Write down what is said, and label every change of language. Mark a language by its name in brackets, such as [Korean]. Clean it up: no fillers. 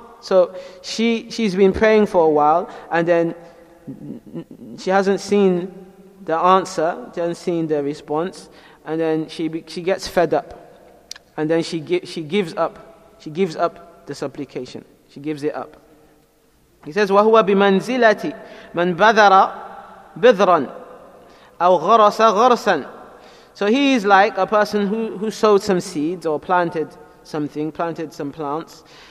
[English] So she's been praying for a while and then she hasn't seen the answer, she hasn't seen the response, and then she gets fed up. And then she gives up the supplication. She gives it up. He says, [Arabic] وَهُوَ بِمَنْزِلَةِ مَنْ بَذَرَ بِذْرًا أَوْ غَرَسَ غَرْسًا. [English] So he is like a person who sowed some seeds or planted some plants.